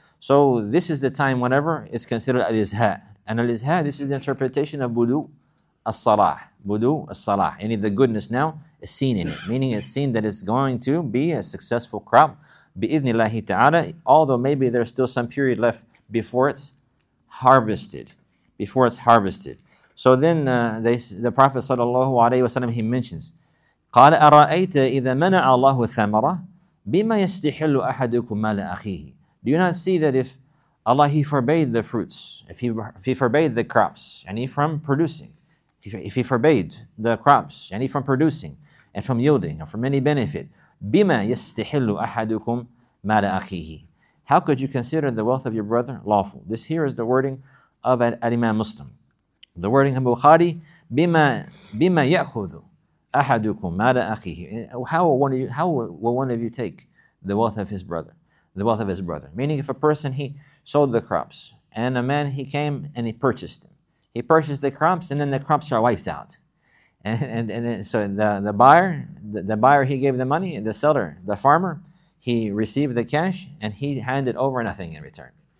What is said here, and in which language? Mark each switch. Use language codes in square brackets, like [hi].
[en] So this is the time whenever it's considered al-izha. And al-izha, this is the interpretation of budu as-salah. Budu as-salah. Any of the goodness now is seen in it. Meaning it's seen that it's going to be a successful crop. Bi-idhnillahi ta'ala. Although maybe there's still some period left before it's harvested. Before it's harvested. So then the Prophet sallallahu alayhi wa sallam, he mentions, [ar] قَالَ أَرَأَيْتَ إِذَا مَنَعَ اللَّهُ الثَّمَرَةَ بِمَا يَسْتِحِلُّ أَحَدُكُمْ مَالَ أَخِيهِ. [en] Do you not see that if Allah, He forbade the fruits, if He forbade the crops, any from producing, if He forbade the crops, any from producing, and from yielding, or from any benefit, [ar] بِمَا يَسْتِحِلُّ أَحَدُكُمْ مَالَ أَخِيهِ. [en] How could you consider the wealth of your brother lawful? This here is the wording of Al-Imam Muslim. The wording of Bukhari, [ar] بِمَا يَأْخُذُ أَحَدُكُمْ مَالَ أَخِيهِ. [en] How will one of you take the wealth of his brother? The wealth of his brother. Meaning if a person, he sold the crops, and a man, he came and he purchased them. He purchased the crops, and then the crops are wiped out. And then the buyer, he gave the money, and the seller, the farmer, he received the cash, and he handed over nothing in return.